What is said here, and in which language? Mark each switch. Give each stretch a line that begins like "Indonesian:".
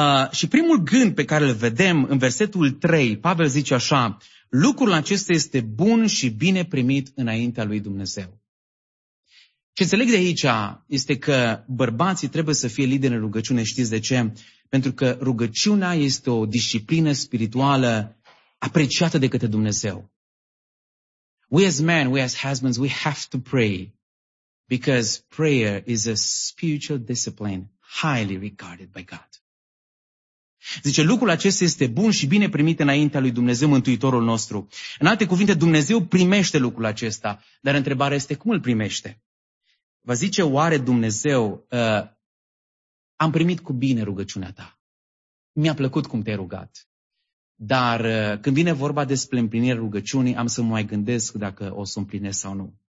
Romanian: Și primul gând pe care îl vedem în versetul 3, Pavel zice așa, lucrul acesta este bun și bine primit înaintea lui Dumnezeu. Ce înțeleg de aici este că bărbații trebuie să fie lideri în rugăciune, știți de ce? Pentru că rugăciunea este o disciplină spirituală apreciată de către Dumnezeu.
English: We as men, we as husbands, we have to pray because prayer is a spiritual discipline highly regarded by God.
Romanian: Zice, lucrul acesta este bun și bine primit înaintea lui Dumnezeu, Mântuitorul nostru. În alte cuvinte, Dumnezeu primește lucrul acesta, dar întrebarea este cum îl primește? Vă zice oare Dumnezeu, am primit cu bine rugăciunea ta, mi-a plăcut cum te-ai rugat, dar când vine vorba despre împlinirea rugăciunii, am să mă mai gândesc dacă o să împlinesc sau nu.